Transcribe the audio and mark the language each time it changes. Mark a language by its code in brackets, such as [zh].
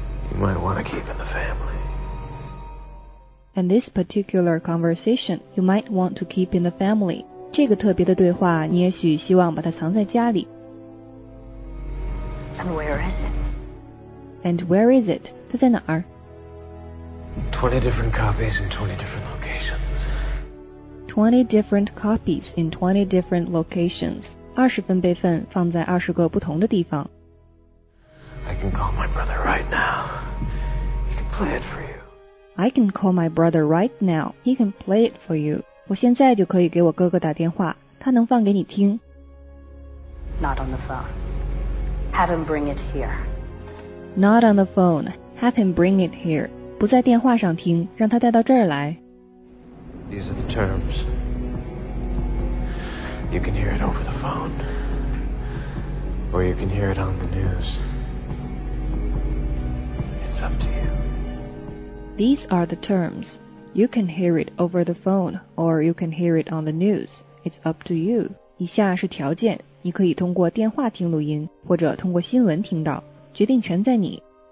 [en] You might want to keep in the family. And this particular conversation, you might want to keep in the family. [zh] 这个特别的对话，你也许希望把它藏在家里。 [en] And where is it? And where is it? [zh] 它在哪儿？ [en] 20 different copies in 20 different locations. 20 different copies in 20 different locations. [zh] 二十份备份放在二十个不同的地方。 [en] I can call my brother right now. He can play it for you. I can call my brother right now. He can play it for you. [zh] 我现在就可以给我哥哥打电话，他能放给你听。 [en] Not on the phone. Have him bring it here. Not on the phone. Have him bring it here. [zh] 不在电话上听，让他带到这儿来。 [en] These are the terms. You can hear it over the phone, or you can hear it on the news. It's up to you. These are the terms. You can hear it over the phone, or you can hear it on the news. It's up to you. [zh] 以下是条件，你可以通过电话听录音，或者通过新闻听到，决定权在你。